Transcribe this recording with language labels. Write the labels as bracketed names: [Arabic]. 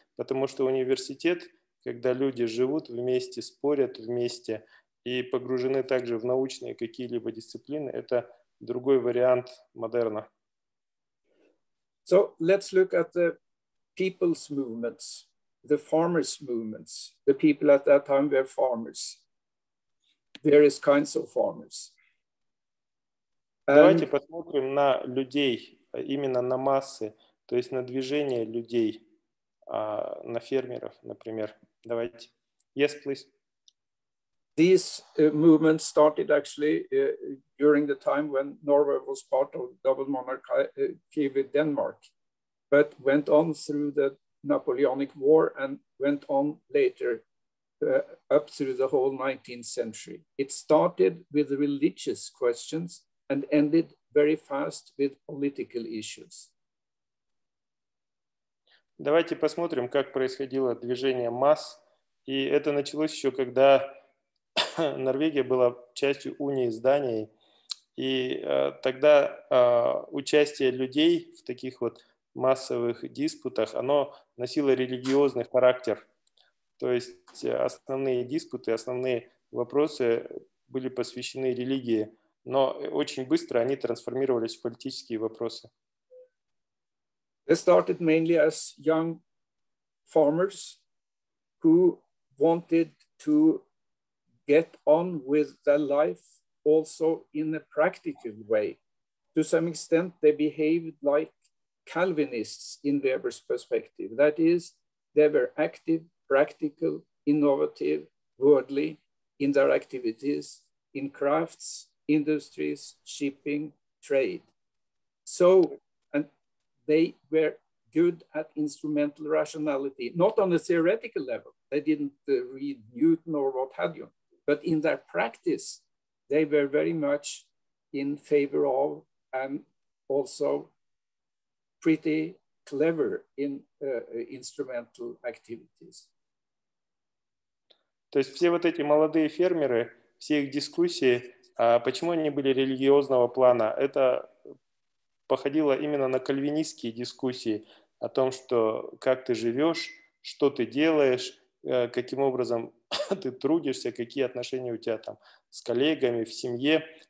[Russian] Потому что университет, когда люди живут вместе, спорят вместе и погружены также в научные какие-либо дисциплины, это другой вариант модерна. [English] So let's look at the people's movements. The farmers' movements, the people at that time were farmers, various kinds of farmers. [Russian] Давайте посмотрим на людей, именно на массы, то есть на движение людей, на фермеров, например. Давайте. [English] Yes, please. These movements started actually during the time when Norway was part of double monarchy with Denmark, but went on through the Napoleonic War and went on later up through the whole 19th century. It started with religious questions and ended very fast with political issues. [Russian] Давайте посмотрим, как происходило движение масс. И это началось еще, когда Норвегия была частью унии с Данией. И тогда участие людей в таких вот массовых диспутах, оно носило религиозный характер. То есть основные диспуты, основные вопросы были посвящены религии, но очень быстро они трансформировались в политические вопросы. [English] They started mainly as young farmers who wanted to get on with their life also in a practical way. To some extent they behaved like Calvinists in Weber's perspective. That is, they were active, practical, innovative, worldly in their activities, in crafts, industries, shipping, trade. So, and they were good at instrumental rationality, not on a theoretical level. They didn't read Newton or what have you, but in their practice, they were very much in favor of and also pretty clever in instrumental activities. [Russian] То есть все вот эти молодые фермеры, все их дискуссии, почему они были религиозного плана, это походило именно на кальвинистские дискуссии о том, что как ты живешь, что ты делаешь, каким образом ты трудишься, какие отношения у тебя там с коллегами, в семье.